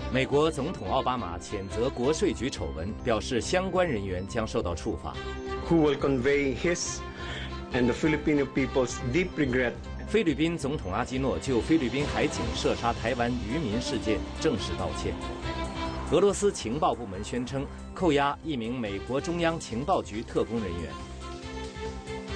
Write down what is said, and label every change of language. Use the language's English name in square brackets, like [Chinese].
[Chinese] 美国总统奥巴马谴责国税局丑闻，表示相关人员将受到处罚。 [English] Who will convey his and the Filipino people's deep regret? [Chinese] 菲律宾总统阿基诺就菲律宾海警射杀台湾渔民事件正式道歉。俄罗斯情报部门宣称扣押一名美国中央情报局特工人员。